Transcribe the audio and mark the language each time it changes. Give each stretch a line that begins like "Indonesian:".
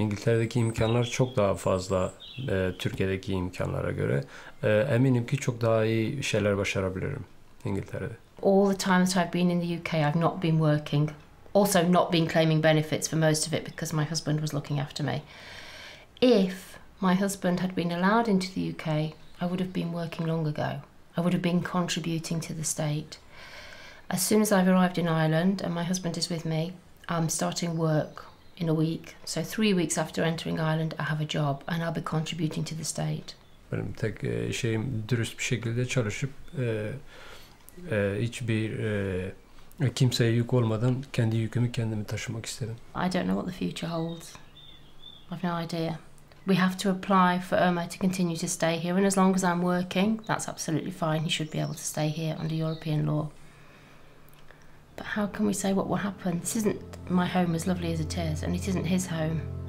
Turkish: İngiltere'deki imkanlar çok daha fazla Türkiye'deki imkanlara göre. Eminim ki çok daha iyi şeyler başarabilirim İngiltere'de.
English: All the time that I've been in the UK, I've not been working. Also not been claiming benefits for most of it because my husband was looking after me. If my husband had been allowed into the UK, I would have been working long ago. I would have been contributing to the state. As soon as I've arrived in Ireland and my husband is with me, I'm starting work in a week. So 3 weeks after entering Ireland, I have a job and I'll be contributing to the state.
Turkish: Benim tek şeyim dürüst bir şekilde çalışıp hiçbir kimseye yük olmadan kendi yükümü kendimi taşımak istedim.
English: I don't know what the future holds. I've no idea. We have to apply for Irma to continue to stay here, and as long as I'm working, that's absolutely fine. He should be able to stay here under European law. But how can we say what will happen? This isn't my home as lovely as it is, and it isn't his home.